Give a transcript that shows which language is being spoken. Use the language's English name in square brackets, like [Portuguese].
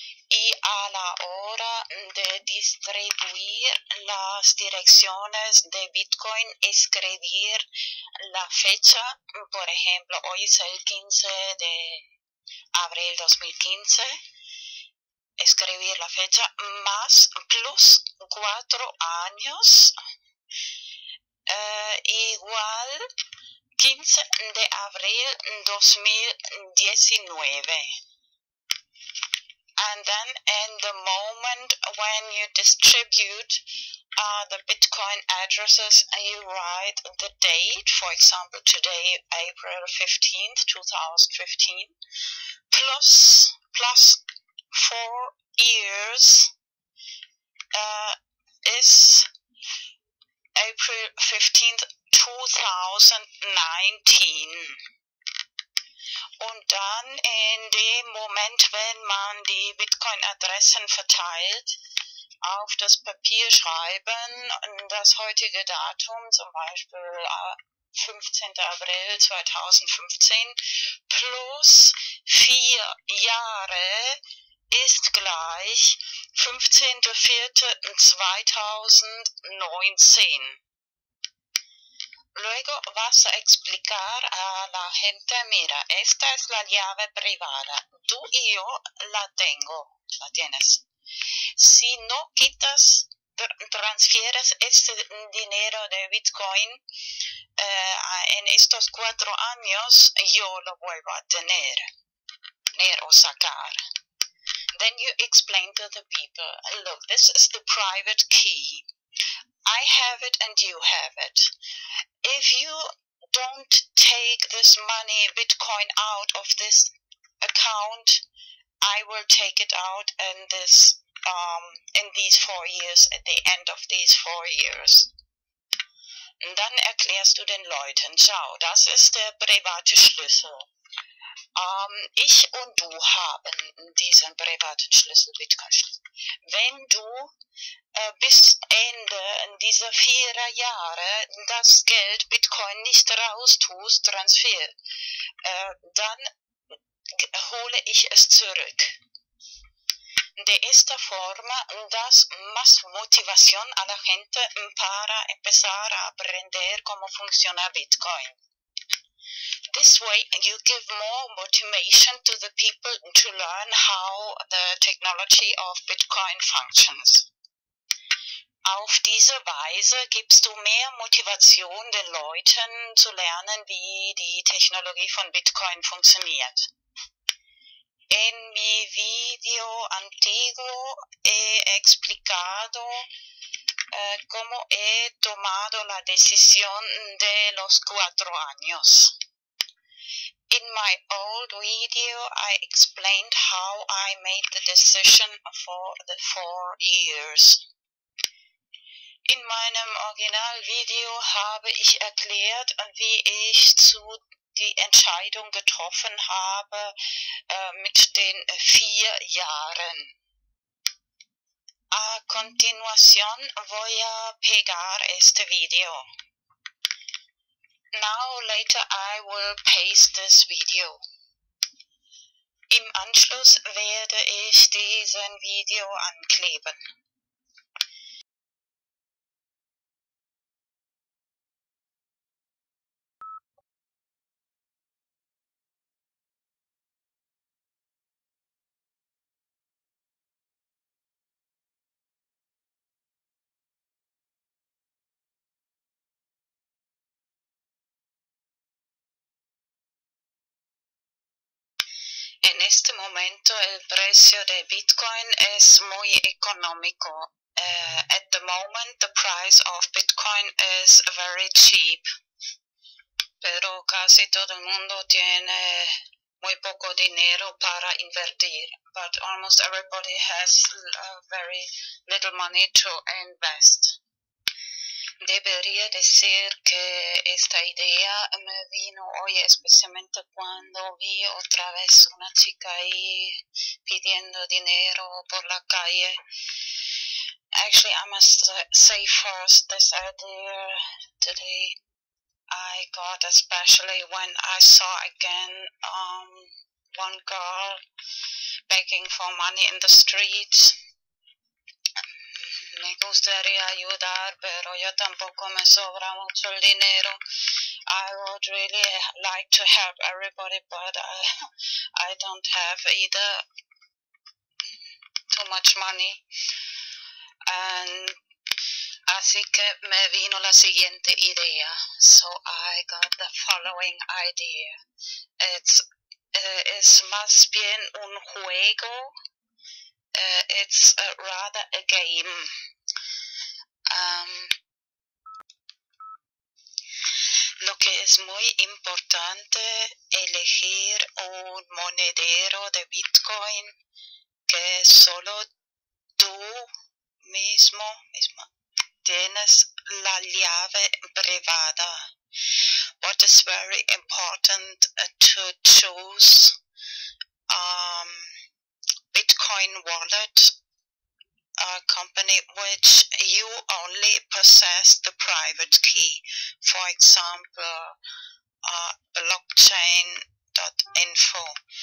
[Spanish] Y a la hora de distribuir las direcciones de Bitcoin, escribir la fecha, por ejemplo, hoy es el 15 de abril 2015, escribir la fecha más plus 4 años, igual 15 de abril 2019. [English] And then in the moment when you distribute the Bitcoin addresses, you write the date, for example, today, April 15th, 2015, plus 4 years, is April 15th, 2019. [German] Und dann in dem Moment, wenn man die Bitcoin-Adressen verteilt, auf das Papier schreiben, das heutige Datum, zum Beispiel 15. April 2015, plus 4 Jahre ist gleich 15.04.2019. [Spanish] Luego vas a explicar a la gente, mira, esta es la llave privada, tú y yo la tengo, la tienes. Si no quitas, transfieres este dinero de Bitcoin en estos 4 años, yo lo vuelvo a tener o sacar. [English] Then you explain to the people, look, this is the private key. I have it and you have it. If you don't take this money, Bitcoin, out of this account, I will take it out in this in these 4 years, at the end of these 4 years. [German] Und dann erklärst du den Leuten, schau, das ist der private Schlüssel. Ich und du haben diesen privaten Schlüssel, Bitcoin-Schlüssel. Wenn du bis Ende dieser 4 Jahre das Geld Bitcoin nicht raustust, Transfer, dann hole ich es zurück. [Spanish] De esta forma das más motivación a la gente para empezar a aprender cómo funciona Bitcoin. [English] This way, you give more motivation to the people to learn how the technology of Bitcoin functions. [German] Auf diese Weise gibst du mehr Motivation den Leuten zu lernen, wie die Technologie von Bitcoin funktioniert. [Spanish] En mi video antiguo he explicado cómo he tomado la decisión de los 4 años. [English] In my old video, I explained how I made the decision for the 4 years. [German] In meinem Originalvideo habe ich erklärt, wie ich zu die Entscheidung getroffen habe mit den 4 Jahren. [Spanish] A continuación voy a pegar este video. [English] Now later I will paste this video. [German] Im Anschluss werde ich diesen Video ankleben. [Spanish] En este momento el precio de Bitcoin es muy económico. [English] At the moment the price of Bitcoin is very cheap. [Spanish] Pero casi todo el mundo tiene muy poco dinero para invertir. [English] But almost everybody has very little money to invest. [Spanish] Debería decir que esta idea me vino hoy especialmente cuando vi otra vez una chica ahí pidiendo dinero por la calle. [English] Actually, I must say first this idea today I got especially when I saw again one girl begging for money in the streets. [Spanish] Me gustaría ayudar, pero yo tampoco me sobra mucho el dinero. [English] I would really like to help everybody, but I don't have either too much money. And [Spanish] así que me vino la siguiente idea. [English] So I got the following idea. It's [Spanish] más bien un juego. [English] It's rather a game. [Spanish] Lo que es muy importante elegir un monedero de Bitcoin que solo tú mismo tienes la llave privada. [English] What is very important to choose Bitcoin wallet, a company which you only possess the private key, for example, blockchain.info.